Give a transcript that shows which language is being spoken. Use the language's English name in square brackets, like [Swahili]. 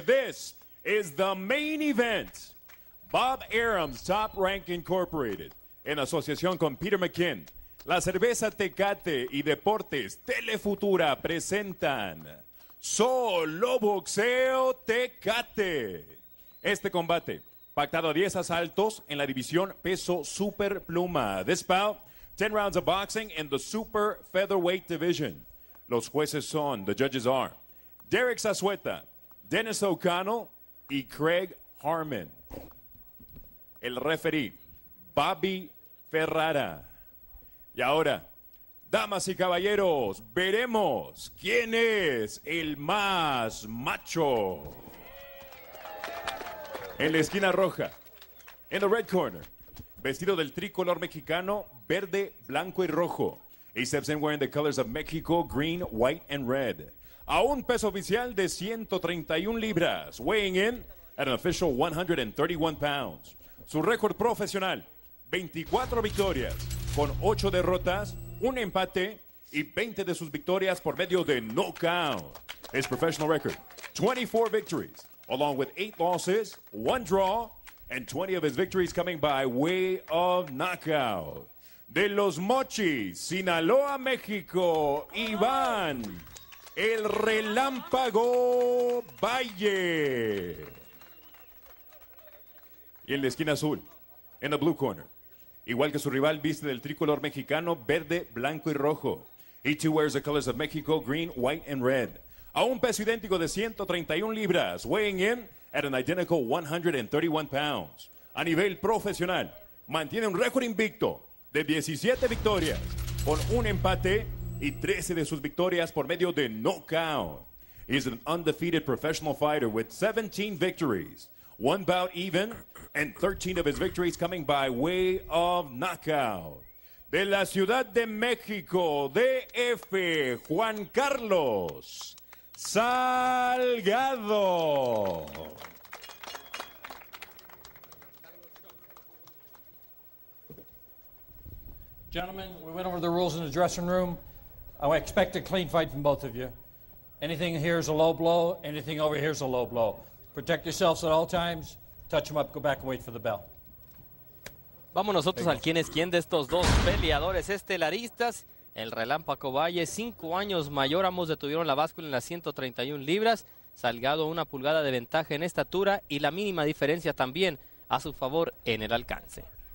[English] This is the main event. [Spanish] Bob Arum's Top Rank Incorporated, en asociación con Peter McKinn, la cerveza Tecate y Deportes Telefutura presentan Solo Boxeo Tecate. Este combate, pactado a 10 asaltos en la división peso super pluma. [English] This bout, 10 rounds of boxing in the super featherweight division. [Spanish] Los jueces son, [English] the judges are, [Spanish] Derek Sazueta, Dennis O'Connell y Craig Harmon. El referee, Bobby Ferrara. Y ahora, damas y caballeros, veremos quién es el más macho. En la esquina roja, en [English] the red corner, [Spanish] vestido del tricolor mexicano, verde, blanco y rojo. [English] He steps in wearing the colors of Mexico, green, white, and red. [Spanish] A un peso oficial de 131 libras, [English] weighing in at an official 131 pounds. [Spanish] Su récord profesional, 24 victorias con 8 derrotas, un empate y 20 de sus victorias por medio de knockout. [English] His professional record, 24 victories, along with 8 losses, 1 draw, and 20 of his victories coming by way of knockout. [Spanish] De los Mochis, Sinaloa, México, Iván, el Relámpago Valle. Y en la esquina azul, en [English] the blue corner, [Spanish] igual que su rival, viste del tricolor mexicano, verde, blanco y rojo. [English] He too wears the colors of Mexico, green, white, and red. [Spanish] A un peso idéntico de 131 libras, [English] weighing in at an identical 131 pounds. [Spanish] A nivel profesional, mantiene un récord invicto de 17 victorias, con un empate y 13 de sus victorias por medio de knockout. [English] He is an undefeated professional fighter with 17 victories, one bout even, and 13 of his victories coming by way of knockout. [Spanish] De la Ciudad de México, DF, Juan Carlos Salgado. [English] Gentlemen, we went over the rules in the dressing room. I expect a clean fight from both of you. Anything here is a low blow. Anything over here is a low blow. Protect yourselves at all times. Touch them up, go back and wait for the bell. [Spanish] Vamos nosotros al quién es quién de estos dos peleadores estelaristas. El Relámpago Valle, 5 años mayor, ambos detuvieron la báscula en las 131 libras. Salgado, una pulgada de ventaja en estatura y la mínima diferencia también a su favor en el alcance.